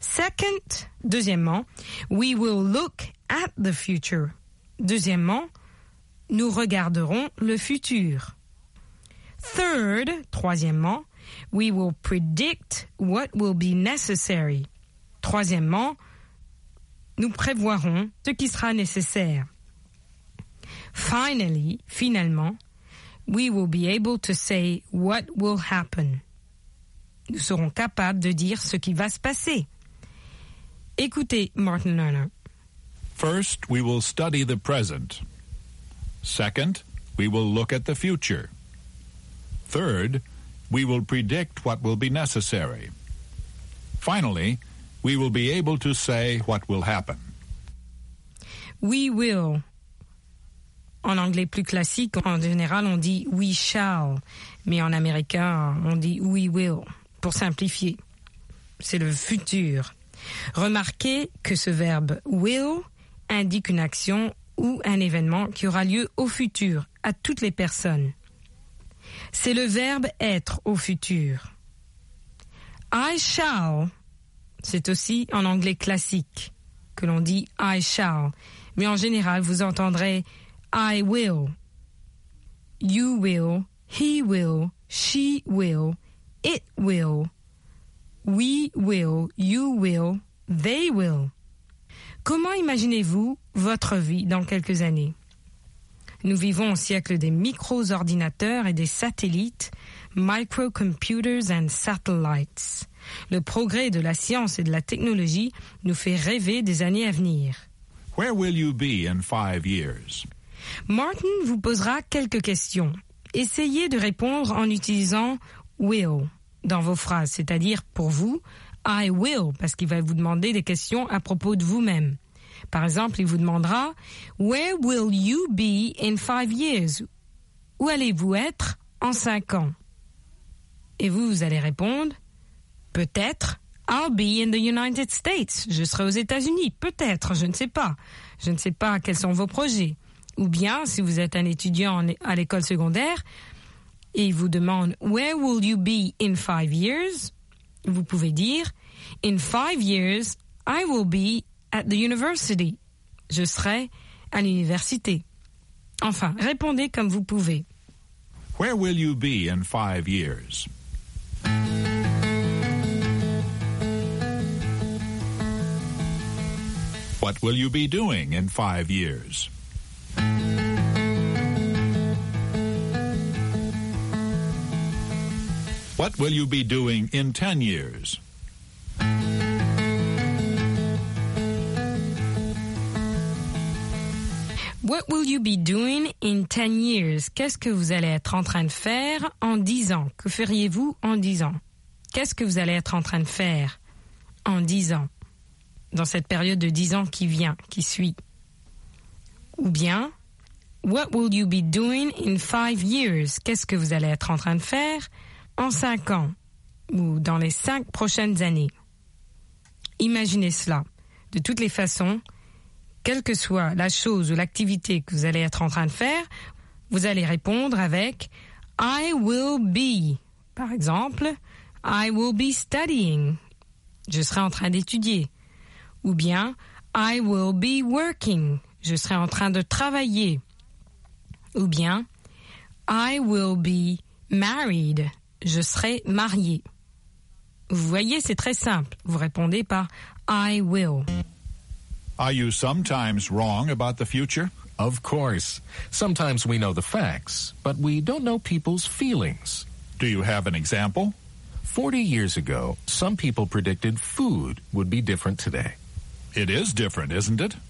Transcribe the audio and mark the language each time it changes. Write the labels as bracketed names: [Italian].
[English] Second, [French] deuxièmement, « [English] we will look at the future. [French] » Deuxièmement, « nous regarderons le futur. » [English] Third, [French] troisièmement, « [English] we will predict what will be necessary. [French] » Troisièmement, nous prévoirons ce qui sera nécessaire. [English] Finally, [French] finalement, [English] we will be able to say what will happen. [French] Nous serons capables de dire ce qui va se passer. Écoutez Martin Lerner. [English] First, we will study the present. Second, we will look at the future. Third, we will predict what will be necessary. Finally, we will be able to say what will happen. We will. [French] En anglais plus classique, en général, on dit [English] we shall. [French] Mais en américain, on dit [English] we will. [French] Pour simplifier, c'est le futur. Remarquez que ce verbe will indique une action ou un événement qui aura lieu au futur, à toutes les personnes. C'est le verbe être au futur. [English] I shall. [French] C'est aussi en anglais classique que l'on dit [English] I shall. [French] Mais en général, vous entendrez « [English] I will »,« you will »,« he will »,« she will »,« it will »,« we will »,« you will »,« they will ». [French] Comment imaginez-vous votre vie dans quelques années? Nous vivons au siècle des micro-ordinateurs et des satellites, « [English] microcomputers and satellites ». [French] Le progrès de la science et de la technologie nous fait rêver des années à venir. [English] Where will you be in 5 years? [French] Martin vous posera quelques questions. Essayez de répondre en utilisant « will » dans vos phrases, c'est-à-dire pour vous, « [English] I will [French] » parce qu'il va vous demander des questions à propos de vous-même. Par exemple, il vous demandera « [English] Where will you be in 5 years? [French] » Où allez-vous être en 5 ans? Et vous, vous allez répondre « Peut-être ». [English] I'll be in the United States. [French] Je serai aux États-Unis. Peut-être, je ne sais pas. Je ne sais pas quels sont vos projets. Ou bien, si vous êtes un étudiant à l'école secondaire et il vous demande « [English] Where will you be in 5 years? [French] » Vous pouvez dire « [English] In 5 years, I will be at the university. [French] » Je serai à l'université. Enfin, répondez comme vous pouvez. [English] « Where will you be in 5 years? » What will you be doing in 5 years? What will you be doing in 10 years? What will you be doing in 10 years? [French] Qu'est-ce que vous allez être en train de faire en 10 ans? Que feriez-vous en 10 ans? Qu'est-ce que vous allez être en train de faire en 10 ans? Dans cette période de 10 ans qui vient, qui suit. Ou bien, [English] what will you be doing in 5 years? [French] Qu'est-ce que vous allez être en train de faire en 5 ans? Ou dans les 5 prochaines années? Imaginez cela. De toutes les façons, quelle que soit la chose ou l'activité que vous allez être en train de faire, vous allez répondre avec « [English] I will be ». [French] Par exemple, « [English] I will be studying ». [French] Je serai en train d'étudier. Ou bien « [English] I will be working ». [French] Je serai en train de travailler. Ou bien « [English] I will be married ». [French] Je serai marié. Vous voyez, c'est très simple. Vous répondez par « [English] I will ». Are you sometimes wrong about the future? Of course. Sometimes we know the facts, but we don't know people's feelings. Do you have an example? 40 years ago, some people predicted food would be different today. It is different, isn't it?